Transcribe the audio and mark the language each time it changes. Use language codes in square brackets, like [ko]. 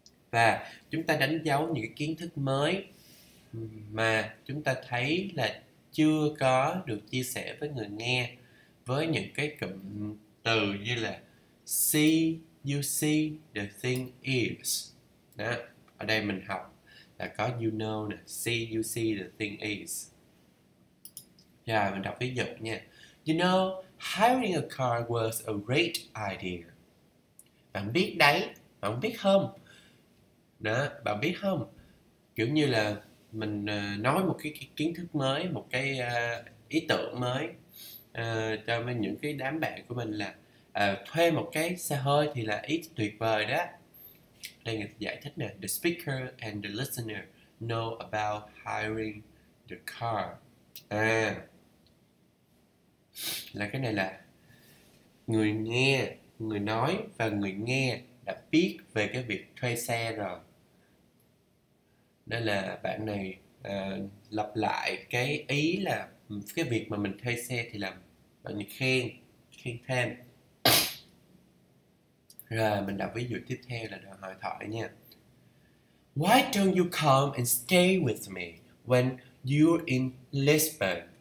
[vi] Và chúng ta đánh dấu những cái kiến thức mới mà chúng ta thấy là chưa có được chia sẻ với người nghe, với những cái cụm từ như là [en] see, you see, the thing is. [vi] Đó, ở đây mình học là có [en] you know [vi] nè, [en] see, you see, the thing is. [vi] Yeah, mình đọc ví dụ nha. [en] You know, hiring a car was a great idea. [vi] Bạn biết đấy, bạn biết không? Đó, bạn biết không? Kiểu như là mình nói một cái kiến thức mới, một cái ý tưởng mới cho những cái đám bạn của mình là thuê một cái xe hơi thì là ý tuyệt vời đó. Đây người giải thích nè: [en] The speaker and the listener know about hiring the car. [vi] À, là cái này là người nghe, người nói và người nghe đã biết về cái việc thuê xe rồi. Đây là bạn này lặp lại cái ý là cái việc mà mình thuê xe thì làm bạn khen khen thêm. Rồi mình đọc ví dụ tiếp theo là đoạn hội thoại nha. [en] Why don't you come and stay with me when you're in Lisbon?